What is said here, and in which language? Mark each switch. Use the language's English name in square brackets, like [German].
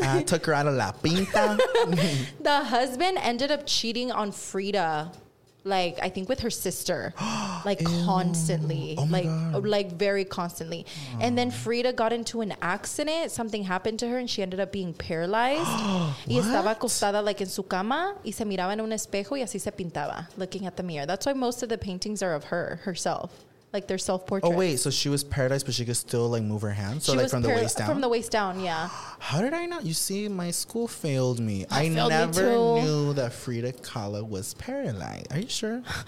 [English] took her out of La Pinta. The husband ended up cheating on Frida. Like, I think with her sister. Like, constantly. Oh like very constantly. Oh. And then Frida got into an accident. Something happened to her and she ended up being paralyzed. What? [Spanish] Y estaba acostada, like, en su cama. Y se miraba en un espejo y así se pintaba. [English] Looking at the mirror. That's why most of the paintings are of her, herself. Like, they're self-portraits. Oh, wait. So she was paralyzed, but she could still, like, move her hands? So, she like, from the waist down? From the waist down, yeah. How did I not? You see, my school failed me. I never knew that Frida Kahlo was paralyzed. Are you sure?